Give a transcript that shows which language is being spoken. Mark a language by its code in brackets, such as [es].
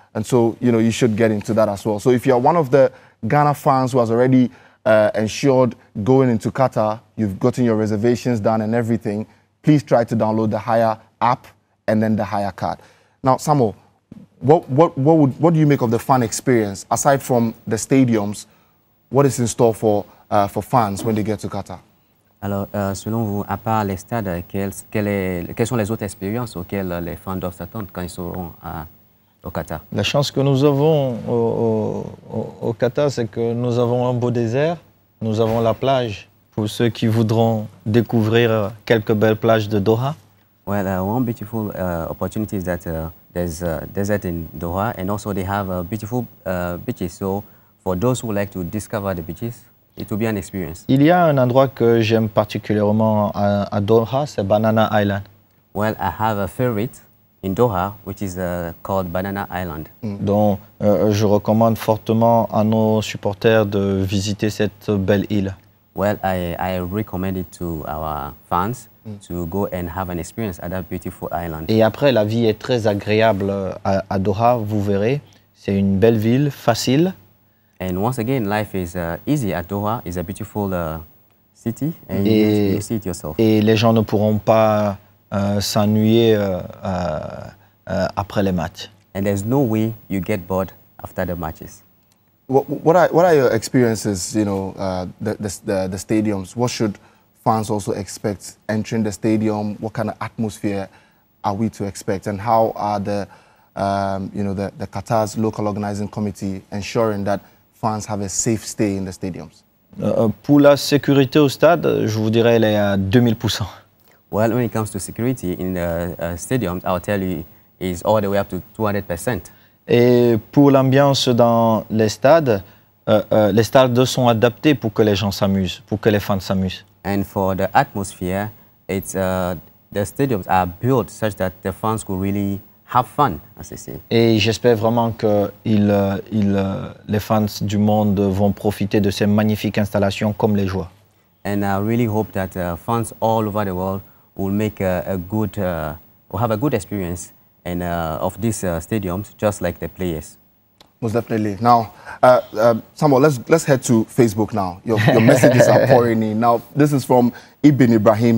[en] And so, you know, you should get into that as well. So if you're one of the Ghana fans who has already ensured going into Qatar, you've gotten your reservations done and everything, please try to download the Hire app and then the Hire card. Now, Samuel, what do you make of the fan experience? Aside from the stadiums, what is in store for fans when they get to Qatar? [fr] Alors, selon vous, à part les stades, quelles sont les autres expériences auxquelles les fans doivent s'attendre quand ils seront au Qatar? La chance que nous avons au Qatar, c'est que nous avons un beau désert, nous avons la plage, pour ceux qui voudront découvrir quelques belles plages de Doha. [en] Well, one beautiful opportunity is that there's a desert in Doha, and also they have beautiful beaches. So, for those who like to discover the beaches, it will be an experience. [fr] Il y a un endroit que j'aime particulièrement à Doha, c'est Banana Island. [en] Well, I have a favorite in Doha, which is called Banana Island. Mm. [fr] Donc, je recommande fortement à nos supporters de visiter cette belle île. [en] Well, I recommend it to our fans to go and have an experience at that beautiful island. [fr] Et après, la vie est très agréable à Doha, vous verrez. C'est une belle ville, facile. [en] And once again, life is easy at Doha. It's a beautiful city, and you see it yourself. [fr] Et les gens ne pourront pas s'ennuyer après les matchs. [en] And there's no way you get bored after the matches. What are your experiences? You know, the stadiums. What should fans also expect entering the stadium? What kind of atmosphere are we to expect? And how are the the Qatar's local organizing committee ensuring that fans have a safe stay in the stadiums? [fr] Pour la sécurité au stade, je vous dirais elle est à 2000%. [en] Well, when it comes to security in the stadiums, I'll tell you it's all the way up to 200%. [fr] Et pour l'ambiance dans les stades sont adaptés pour que les gens s'amusent, pour que les fans s'amusent. [en] And for the atmosphere, it's the stadiums are built such that the fans could really have fun, as I say. [fr] Et j'espère vraiment que les fans du monde vont profiter de ces magnifiques installations comme les joueurs. [en] And I really hope that fans all over the world will make have a good experience and of these stadiums, just like the players. Most definitely. Now, Samuel, let's head to Facebook now. Your messages are pouring in. Now, this is from Ibn Ibrahim.